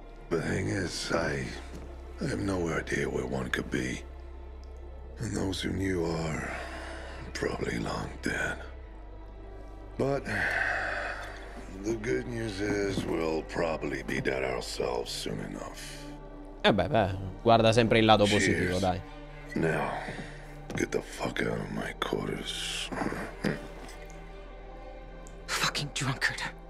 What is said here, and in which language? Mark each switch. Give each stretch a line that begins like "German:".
English: The thing is, I have no idea where one could be. And those who knew are probably long dead. But the good news is we'll probably be dead ourselves soon enough.
Italian: Eh beh, beh, guarda sempre il lato positivo,
English: cheers.
Italian: Dai.
English: Now, get the fuck out of my quarters. Fucking drunkard.